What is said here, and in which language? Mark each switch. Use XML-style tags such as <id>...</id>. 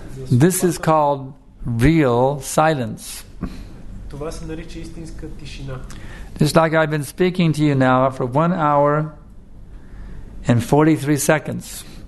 <en>This is called real silence.</en> <bg>Това се нарича истинска тишина.</bg> <en>Just like I've been speaking to you now for 1 hour and 43 seconds.</en>